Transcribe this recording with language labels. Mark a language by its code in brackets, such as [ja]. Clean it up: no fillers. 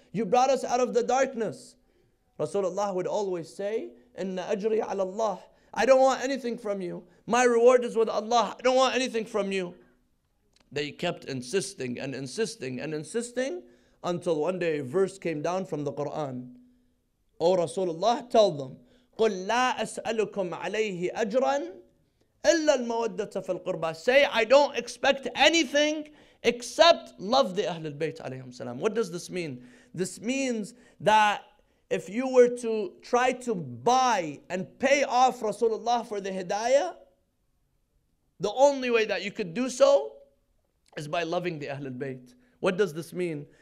[en] You brought us out of the darkness. Rasulullah would always say, [ar] إِنَّ أَجْرِي عَلَى اللَّهِ. [en] I don't want anything from you. My reward is with Allah. I don't want anything from you. They kept insisting and insisting and insisting until one day a verse came down from the Quran. O Rasulullah, tell them, [ar] قُلْ لَا أَسْأَلُكُمْ عَلَيْهِ أَجْرًا إِلَّا الْمَوَدَّةَ فِي الْقُرْبَى. [en] Say, I don't expect anything except love the Ahlul Bayt alayhim salam. What does this mean? This means that if you were to try to buy and pay off Rasulullah for the hidayah, the only way that you could do so is by loving the Ahlul Bayt. What does this mean?